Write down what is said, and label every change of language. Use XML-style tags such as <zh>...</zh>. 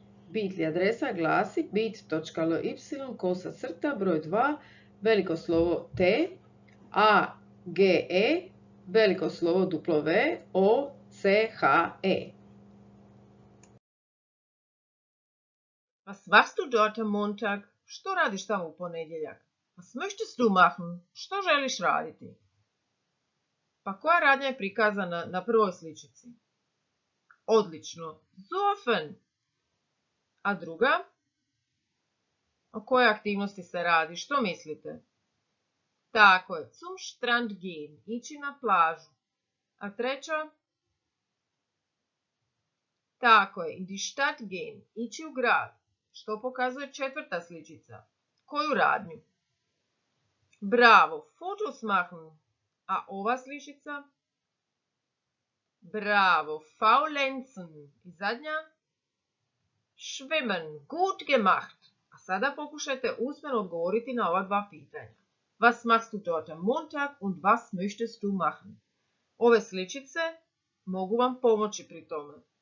<hr>Bit.ly adresa glasi bit.ly/broj2 veliko slovo T A G E veliko slovo W O C H E.</hr> <de>Was machst du dort am Montag?</de> <hr>Što radiš tamo u ponedjeljak?</hr> <de>Was möchtest du machen?</de> <hr>Što želiš raditi? Pa koja radnja je prikazana na prvoj sličici? Odlično. Zofen. A druga? O kojoj aktivnosti se radi? Što mislite? Tako je.</hr> <de>Zum Strand gehen.</de> <hr>Ići na plažu. A treća? Tako je.</hr> <de>In die Stadt gehen.</de> <hr>Ići u grad. Što pokazuje četvrta sličica? Koju radnju? Bravo.</hr> <de>Fotos machen.</de> <hr>A ova sličica? Bravo, faulenzen. I zadnja?</hr> <de>Schwimmen, gut gemacht.</de> <hr>A sada pokušajte usmeno odgovoriti na ova dva pitanja.</hr> <de>Was machst du dort am Montag und was möchtest du machen?</de> <hr>Ove sličice mogu vam pomoći pri tome.</hr>